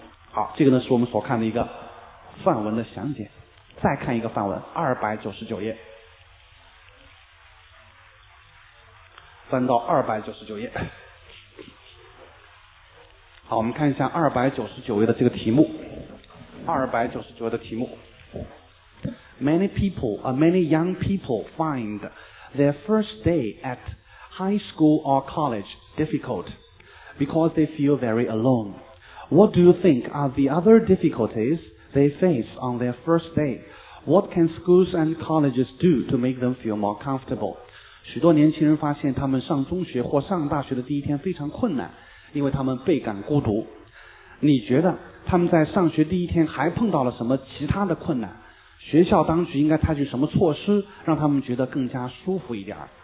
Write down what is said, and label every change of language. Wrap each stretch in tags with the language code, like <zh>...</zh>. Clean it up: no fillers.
<zh>好，这个呢是我们所看的一个范文的详解。再看一个范文，299页，翻到299页。好，我们看一下299页的这个题目。 299页的题目，</zh> <en>Many young people find their first day at high school or college difficult because they feel very alone. What do you think are the other difficulties they face on their first day? What can schools and colleges do to make them feel more comfortable?</en> <zh>许多年轻人发现他们上中学或上大学的第一天非常困难，因为他们倍感孤独。你觉得他们在上学第一天还碰到了什么其他的困难？学校当局应该采取什么措施让他们觉得更加舒服一点？</zh>